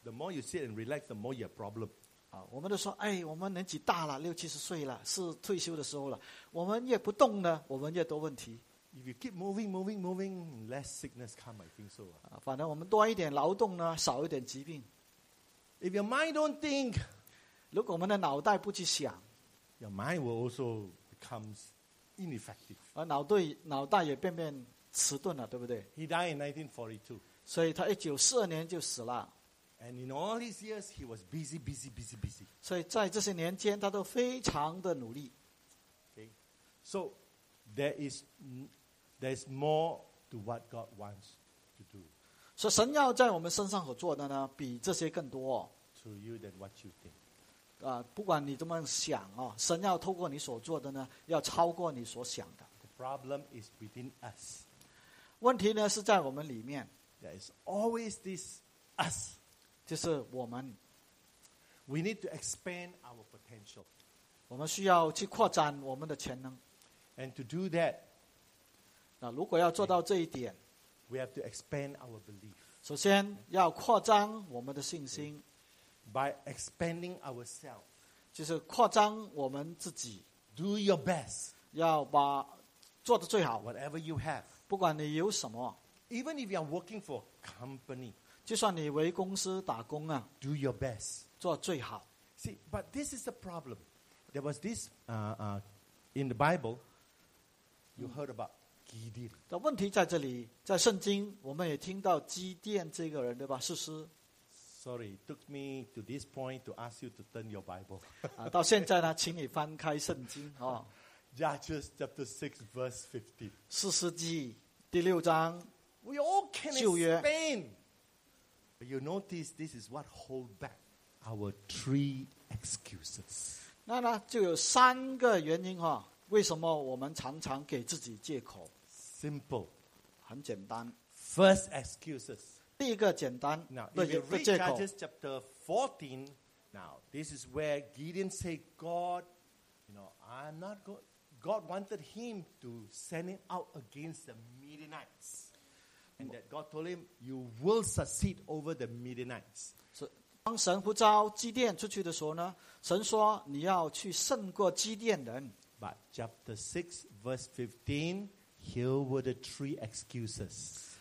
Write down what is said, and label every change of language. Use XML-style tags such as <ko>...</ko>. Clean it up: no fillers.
<en>The more you sit and relax, the more you have problem."</en> <zh>我们都说，哎，我们年纪大了，六七十岁了，是退休的时候了。我们越不动呢，我们越多问题。</zh> <en>If you keep moving, moving, moving, less sickness come, I think so.</en> <zh>反正我们多一点劳动呢，少一点疾病。</zh> <en>If your mind don't think,</en> <zh>如果我们的脑袋不去想,</zh> <en>your mind will also becomes ineffective.</en> <zh>脑袋也变迟钝了，对不对？</zh> <en>He died in 1942.</en> <zh>所以他1942年就死了。</zh> <en>And in all his years, he was busy, busy, busy, busy.</en> <zh>所以在这些年间，他都非常的努力。</zh> <en>Okay, so there is more to what God wants to do.</en> <zh>所以神要在我们身上所做的呢，比这些更多。</zh> <en>To you than what you think.</en> <zh>不管你怎么想哦，神要透过你所做的呢，要超过你所想的。</zh> <en>The problem is within us.</en> <zh>问题呢是在我们里面。</zh> <en>There is always this us.</en> <zh>就是我们。</zh> <en>We need to expand our potential.</en> <zh>我们需要去扩展我们的潜能。</zh> <en>And to do that.</en> <zh>如果要做到这一点。</zh> <en>We have to expand our belief.</en> <zh>首先要扩张我们的信心。</zh> <en>By expanding ourselves.</en> <zh>就是扩张我们自己。</zh> <en>Do your best.</en> <zh>要把做得最好。</zh> <en>Whatever you have.</en> <zh>不管你有什么。</zh> <en>Even if you are working for a company.</en> <zh>就算你为公司打工啊。</zh> <en>Do your best.</en> <zh>做最好。</zh> <en>See, but this is the problem. There was this, in the Bible, you heard about.</en> <zh>的问题在这里，在圣经我们也听到基甸这个人，对吧？士师。</zh> <en>Sorry, it took me to this point to ask you to turn your Bible.</en> <zh>到现在呢，请你翻开圣经哦。</zh> <en>Judges chapter 6 verse 15.</en> <zh>士师记第六章。</zh> <en>We all can explain. But you notice this is what hold back our three excuses.</en> <zh>那呢，就有三个原因哦。为什么我们常常给自己借口</zh> <en>？Simple，</en> <zh>很简单。</zh> <en>First excuses，</en> <zh>第一个简单的借口。</zh> <en>Now, if you read Judges chapter 14, now this is where Gideon said, "God, you know, I'm not God. God wanted him to send him out against the Midianites, and that God told him, 'You will succeed over the Midianites.'"</en> <zh>当神呼召基甸出去的时候呢，神说你要去胜过基甸人。</zh> <en>But chapter 6, verse 15, here were the three excuses.</en>